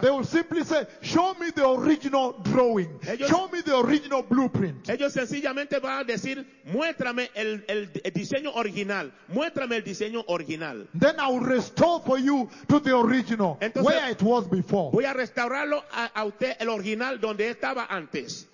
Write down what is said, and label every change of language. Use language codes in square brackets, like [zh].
[en] they will simply say, show me the original drawing, [es] ellos, [en] show me the original blueprint. [es] Ellos sencillamente van a decir, muéstrame el diseño original, muéstrame el diseño original. [en] Then I will restore for you to the original, [es] entonces, [en] where it was before. [es] Voy a restaurarlo a usted el original donde estaba antes.